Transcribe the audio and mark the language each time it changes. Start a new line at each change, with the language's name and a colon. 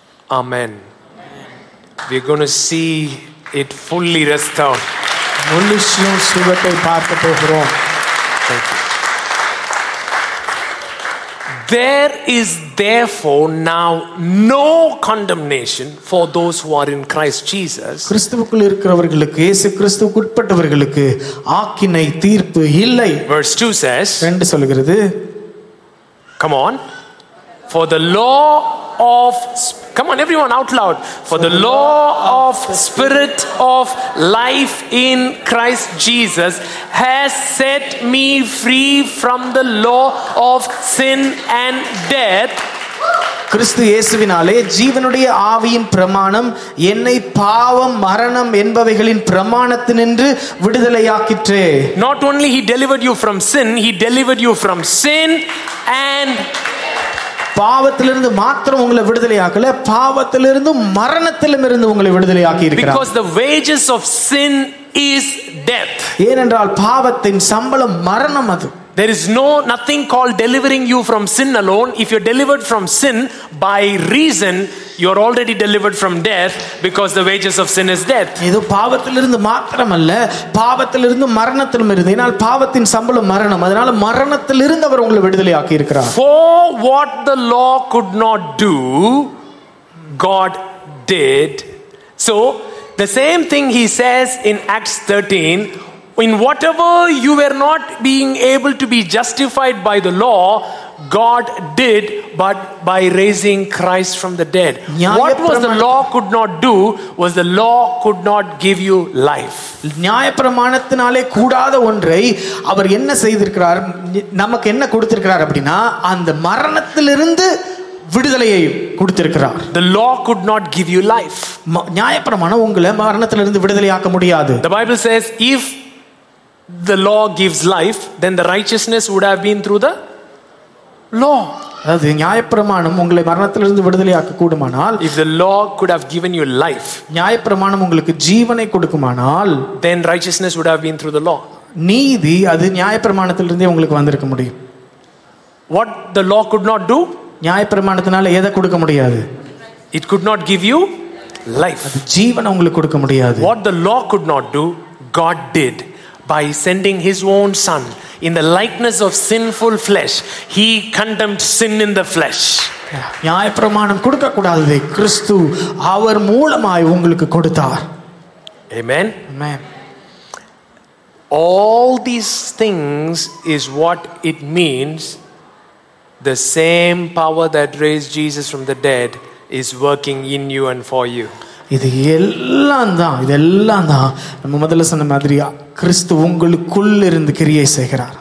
English: Amen. Amen. We're going to see it fully restored. Thank you. There is therefore now no condemnation for those who are in Christ Jesus.
Tamil: கிறிஸ்துவுக்குள் இருக்கிறவர்களுக்கு, இயேசு கிறிஸ்துவுக்குட்பட்டவர்களுக்கு ஆக்கினை தீர்ப்பு இல்லை.
English: Verse 2 says,
Tamil: ரெண்டு சொல்கிறது.
English: Come on. For the law of... Come on, everyone, out loud. For the law of spirit of life in Christ Jesus has set me free from the law of sin and death.
Tamil: கிறிஸ்து இயேசுவினாலே ஜீவனுடைய ஆவியின் பிரமாணம் என்னை பாவம் மரணம் என்பவைகளின் பிரமாணத்தினின்று விடுதலையாக்கிற்று.
English: Not only he delivered you from sin, he delivered you from sin and
Tamil: பாவத்திலிருந்து மட்டும் உங்களை விடுதலை ஆக்கல, பாவத்திலிருந்து மரணத்திலிருந்து உங்களை விடுதலை ஆக்கி இருக்கிறார்.
English: Because the wages of sin is death.
Tamil: ஏனென்றால் பாவத்தின் சம்பளம் மரணம் அது.
English: There is no nothing called delivering you from sin alone. If you're delivered from sin by reason, you're already delivered from death because the wages of sin is death.
Tamil: இது பாவத்திலிருந்து மட்டுமல்ல, பாவத்திலிருந்து மரணத்திலும் இருக்கு. ஏனால் பாவத்தின் சம்பளம் மரணம். அதனால மரணத்திலிருந்து அவர் உங்களை விடுதலை ஆக்கி இருக்கிறார்.
English: For what the law could not do, God did. So the same thing he says in Acts 13, in whatever you were not being able to be justified by the law, God did, but by raising Christ from the dead. What was the law could not do was the law could not give you life.
Tamil: நியாயப்பிரமாணத்தினாலே கூடாத ஒன்றை அவர் என்ன செய்திருக்கிறார், நமக்கு என்ன கொடுத்திருக்கிறார் அப்படின்னா, அந்த மரணத்திலிருந்து விடுதலையை கொடுத்திருக்கிறார்.
English: The law could not give you life.
Tamil: நியாயப்பிரமாணம் உங்களை மரணத்திலிருந்து விடுதலை ஆக்க முடியாது.
English: The Bible says if the law gives life, then the righteousness would have been through the law.
Tamil: அது நியாயப்பிரமாணம் உங்களை மரணத்திலிருந்து விடுதலை ஆக்க கூடுமானால்,
English: if the law could have given you life,
Tamil: நியாயப்பிரமாணம் உங்களுக்கு ஜீவனை கொடுக்குமானால்,
English: then righteousness would have been through the law.
Tamil: நீதி அது நியாயப்பிரமாணத்திலிருந்தே உங்களுக்கு வந்திருக்க முடியும்.
English: What the law could not do,
Tamil: நியாயப்பிரமாணத்தினால எதை கொடுக்க முடியாது,
English: it could not give you life.
Tamil: அது ஜீவனை உங்களுக்கு கொடுக்க முடியாது.
English: What the law could not do, God did. By sending his own son in the likeness of sinful flesh, he condemned sin in the flesh.
Tamil: நியாயப்பிரமாணம் கொடுக்க கூடாதது, கிறிஸ்து அவர் மூலமாய் உங்களுக்கு கொடுத்தார்.
English: Amen. Amen. All these things is what it means. The same power that raised Jesus from the dead is working in you and for you.
Tamil: இது எல்லாம் தான், இதெல்லாம் தான் நம்ம முதல்ல சொன்ன மாதிரியா, கிறிஸ்து உங்களுக்குள்ள இருந்து கிரியை செய்கிறார்.